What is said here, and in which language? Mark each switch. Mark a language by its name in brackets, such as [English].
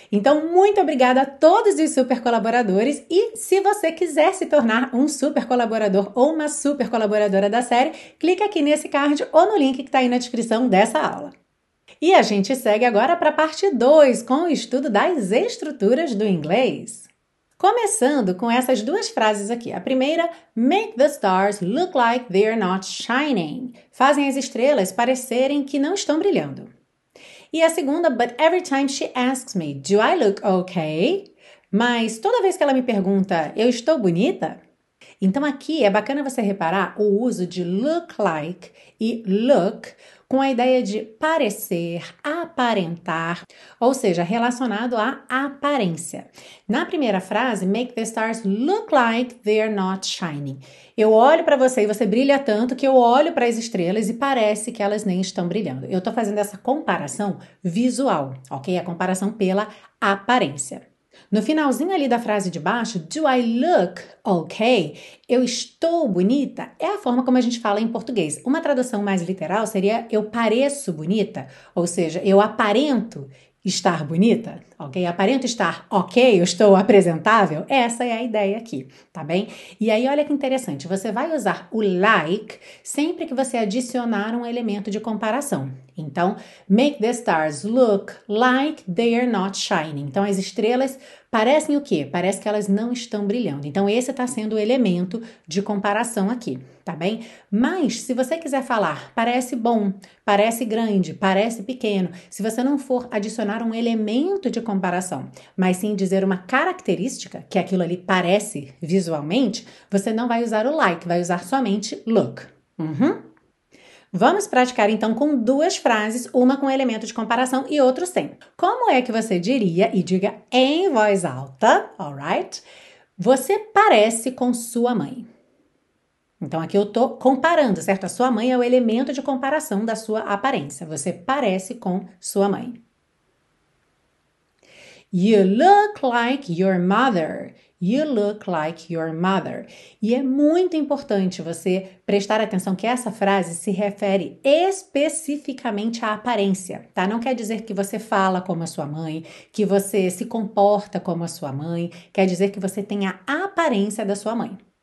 [Portuguese] Então, muito obrigada a todos os super colaboradores, e se você quiser se tornar um super colaborador ou uma super colaboradora da série, clique aqui nesse card ou no link que está aí na descrição dessa aula. E a gente segue agora para a parte 2, com o estudo das estruturas do inglês. Começando com essas duas frases aqui. A primeira, [English] make the stars look like they're not shining. [Portuguese] Fazem as estrelas parecerem que não estão brilhando. E a segunda, [English] but every time she asks me, do I look okay? [Portuguese] Mas toda vez que ela me pergunta, eu estou bonita? Então aqui é bacana você reparar o uso de look like e look com a ideia de parecer, aparentar, ou seja, relacionado à aparência. Na primeira frase, [English] make the stars look like they're not shining. [Portuguese] Eu olho para você e você brilha tanto que eu olho para as estrelas e parece que elas nem estão brilhando. Eu estou fazendo essa comparação visual, ok? A comparação pela aparência. No finalzinho ali da frase de baixo, [English] do I look okay? [Portuguese] Eu estou bonita? É a forma como a gente fala em português. Uma tradução mais literal seria eu pareço bonita, ou seja, eu aparento estar bonita, ok? Aparento estar ok, eu estou apresentável? Essa é a ideia aqui, tá bem? E aí, olha que interessante, você vai usar o like sempre que você adicionar um elemento de comparação. [English] Então, make the stars look like they're not shining. [Portuguese] Então, as estrelas parecem o quê? Parece que elas não estão brilhando. Então, esse está sendo o elemento de comparação aqui, tá bem? Mas, se você quiser falar, parece bom, parece grande, parece pequeno, se você não for adicionar um elemento de comparação, mas sim dizer uma característica, que aquilo ali parece visualmente, você não vai usar o like, vai usar somente look. Vamos praticar então com duas frases, uma com elemento de comparação e outra sem. Como é que você diria, e diga em voz alta, alright? Você parece com sua mãe. Então aqui eu estou comparando, certo? A sua mãe é o elemento de comparação da sua aparência. Você parece com sua mãe. [English] You look like your mother. You look like your mother. [Portuguese] E é muito importante você prestar atenção que essa frase se refere especificamente à aparência, tá? Não quer dizer que você fala como a sua mãe, que você se comporta como a sua mãe, quer dizer que você tem a aparência da sua mãe.